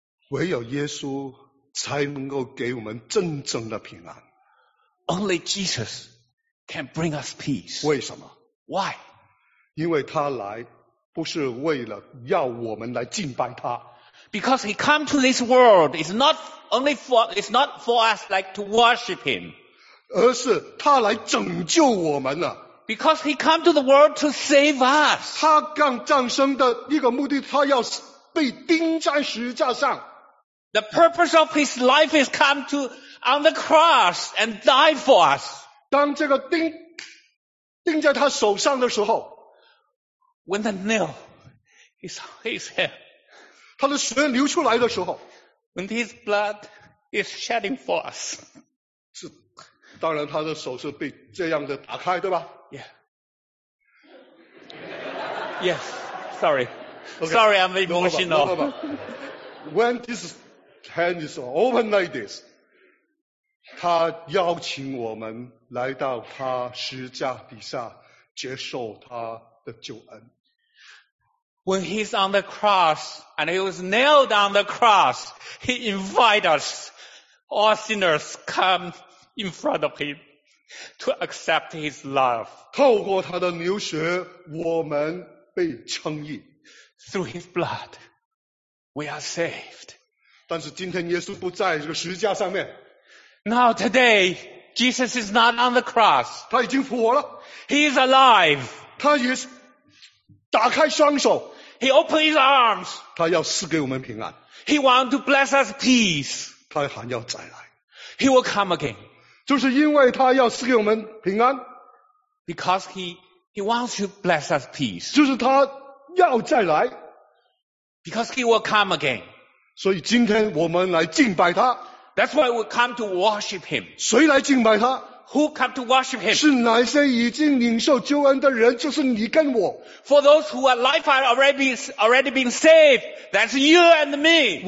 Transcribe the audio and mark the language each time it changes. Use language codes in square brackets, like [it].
[zh] 唯有耶稣才能够给我们真正的平安。 [en] Only Jesus can bring us peace. [zh] 为什么? [en] Why? [zh] 因为他来不是为了要我们来敬拜他。 [en] Because he come to this world, it's not for us like to worship him. [zh] 而是他来拯救我们了。 [en] Because he come to the world to save us. [zh] 他刚降生的一个目的, 他要被钉在十字架上。 [en] The purpose of his life is come to on the cross and die for us. [zh] 当这个钉在他手上的时候, [en] when the nail is on his head, [zh] 他的血流出来的时候, [en] when his blood is shedding for us, [zh] 是, 当然他的手是被这样的打开, 对吧? [en] Yeah. Yes, sorry. Okay. Sorry, I'm emotional. No, no, no, no. When his hand is open like this, [zh] 他邀请我们来到他十字架底下接受他的救恩。 [en] When he's on the cross and he was nailed on the cross, he invites us, all sinners, come in front of him to accept his love. [zh] 透过他的流血，我们被称义。 [en] Through his blood, we are saved. [zh] 但是今天耶稣不在这个十字架上面。 [en] Now today, Jesus is not on the cross. [zh] 他已经复活了。 [en] He is alive. [zh] 他也打开双手。 [en] He opened his arms. [zh] 他要赐给我们平安。 [en] He wants to bless us peace. [zh] 他还要再来。 [en] He will come again. [zh] 就是因为他要赐给我们平安。 [en] Because he wants to bless us peace. [zh] 就是他要再来。 [en] Because he will come again. [zh] 所以今天我们来敬拜他。 [en] That's why we come to worship him. [zh] 谁来敬拜他? [en] Who come to worship him? [zh] 是哪些已经领受救恩的人,就是你跟我。 [en] For those who are alive and already been saved, that's you and me.